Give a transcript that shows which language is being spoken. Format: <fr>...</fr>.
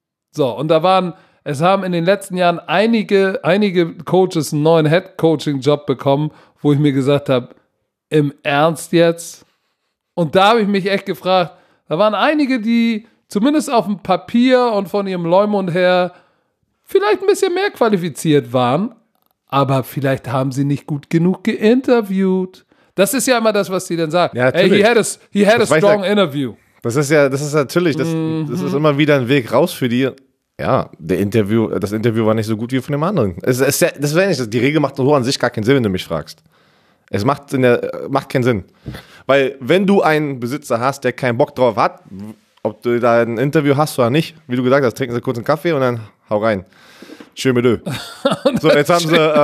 <de>So, und da waren, es haben in den letzten Jahren einige Coaches einen neuen Head-Coaching-Job bekommen, wo ich mir gesagt habe, im Ernst jetzt? Und da habe ich mich echt gefragt, da waren einige, die zumindest auf dem Papier und von ihrem Leumund her vielleicht ein bisschen mehr qualifiziert waren, aber vielleicht haben sie nicht gut genug geinterviewt. Das ist ja immer das, was sie dann sagen. Ja, hey,</de> <en>he had a strong interview.</en> <de>Das ist natürlich, das ist immer wieder ein Weg raus für die. Ja, das Interview war nicht so gut wie von dem anderen. Die Regel macht so an sich gar keinen Sinn, wenn du mich fragst. Es macht keinen Sinn. Weil wenn du einen Besitzer hast, der keinen Bock drauf hat, ob du da ein Interview hast oder nicht, wie du gesagt hast, trinken sie kurz einen Kaffee und dann hau rein. Schön mit Ö. So, jetzt haben sie.</de>